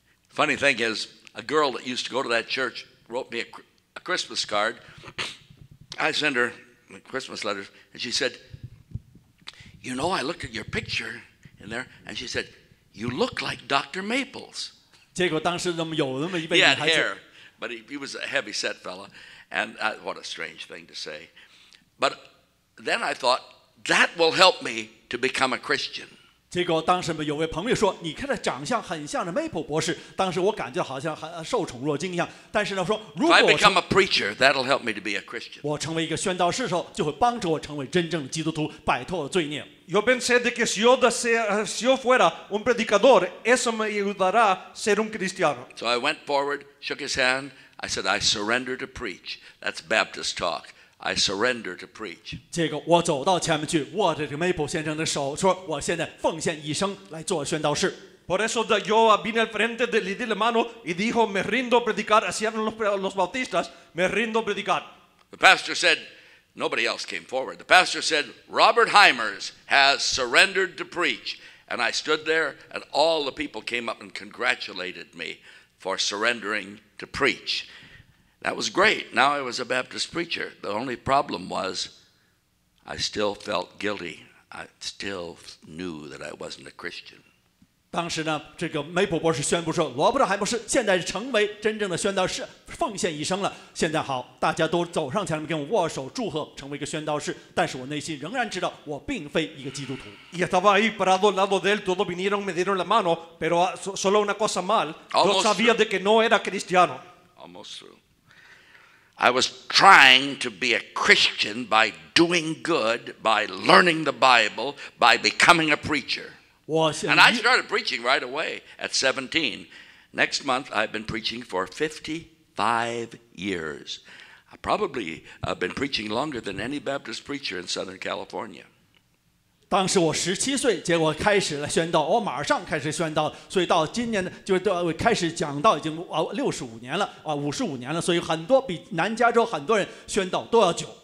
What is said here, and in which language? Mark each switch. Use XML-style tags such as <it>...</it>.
<en>Funny thing is, a girl that used to go to that church wrote me a Christmas card. I sent her Christmas letters, and she said, "You know, I looked at your picture in there, and she said, you look like Dr. Maples."</en> <zh>结果当时有那么一位女孩子。</zh> <en>He had hair. But he was a heavy-set fella, and what a strange thing to say. But then I thought, that will help me to become a Christian.</en> <zh>结果当时有位朋友说，你看这长相很像的 Maple 博士，当时我感觉好像很受宠若惊一样。但是呢，说如果</zh> <en>If I become a preacher, that'll help me to be a Christian.</en> <zh>我成为一个宣道士的时候，就会帮助我成为真正的基督徒，摆脱罪孽。</zh> <es>Yo pensé de que si yo fuera un predicador, eso me ayudará a ser un cristiano.</es> <en>So I went forward, shook his hand. I said, I surrender to preach. That's Baptist talk. I surrender to preach.</en> <zh>结果我走到前面去，握着这个 Maple 先生的手，说我现在奉献一生来做宣道士。</zh> <es>Por eso yo vine al frente de le di la mano y dijo, me rindo a predicar. Así eran los bautistas. Me rindo a predicar.</es> <en>The pastor said,Nobody else came forward. The pastor said, Robert Hymers has surrendered to preach. And I stood there, and all the people came up and congratulated me for surrendering to preach. That was great. Now I was a Baptist preacher. The only problem was I still felt guilty. I still knew that I wasn't a Christian.</en> <zh>当时呢，这个 Maple 博士宣布说，罗伯特·海姆斯现在成为真正的宣道士，奉献一生了。现在好，大家都走上前面跟我握手祝贺，成为一个宣道士。但是我内心仍然知道，我并非一个基督徒。</zh> <es>Y estaba ahí parado al lado de él, todos vinieron, me dieron la mano, pero solo una cosa mal, yo sabía de que no era cristiano.</es> <en>Almost through. I was trying to be a Christian by doing good, by learning the Bible, by becoming a preacher. And I started preaching right away at 17. Next month, I've been preaching for 55 years. I probably have been preaching longer than any Baptist preacher in Southern California.</en> <zh>当时我17岁，结果开始了宣道，我马上开始宣道，所以到今年就开始讲道已经55年了，所以很多比南加州很多人宣道都要久。</zh>